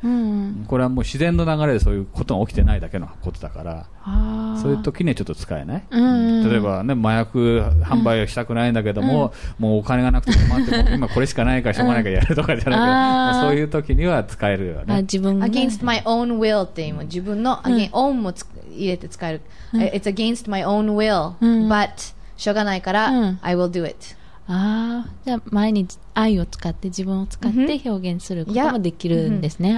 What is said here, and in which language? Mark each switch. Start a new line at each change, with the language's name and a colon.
Japanese: うん、これはもう自然の流れでそういうことが起きてないだけのことだから、そういう時にはちょっと使えない、うんうん、例えばね、麻薬販売をしたくないんだけども、うん、もうお金がなくて困って、うん、今これしかないからしょうがないからやるとかじゃなくて、うん、そういう時には使えるよね。あ、自分が
English: against my own will
Japanese: っていうのも、自分の、うん、
English: again, own
Japanese: も入れて使える、うん、
English: It's against my own will、
Japanese: うん、
English: but
Japanese: しょうがないから、うん、
English: I will do it。
Japanese: あ、じゃあ毎日愛を使って自分を使って表現することもできるんですね。